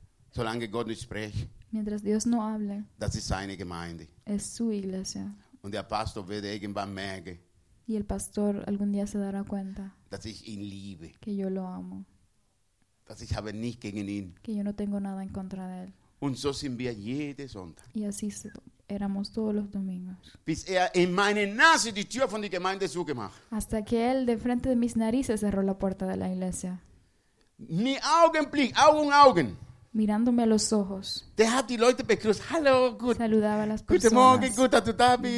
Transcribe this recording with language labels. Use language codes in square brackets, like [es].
[de] Solange Gott nicht spricht. [es] Mientras Dios no hable. [de] Das ist seine Gemeinde. [es] Es su iglesia. [de] Und der Pastor wird irgendwann merken. [es] Y el pastor algún día se dará cuenta. [de] Dass ich ihn liebe. [es] Que yo lo amo. [de] Dass ich habe nicht gegen ihn. [es] Que yo no tengo nada en contra de él. [de] Und so sind wir jede Sonntag. [es] Y así éramos todos los domingos. [de] Bis er in meine Nase die Tür von der Gemeinde zugemacht. [es] Hasta que él de frente de mis narices cerró la puerta de la iglesia. Mi [de] Augenblick, Augen. [es] Mirándome a los ojos. [de] Der hat die Leute begrüßt. Hallo, gut. [es] Saludaba a las [de] guten [es] personas. [de] Guten Morgen, gut, dass du da bist.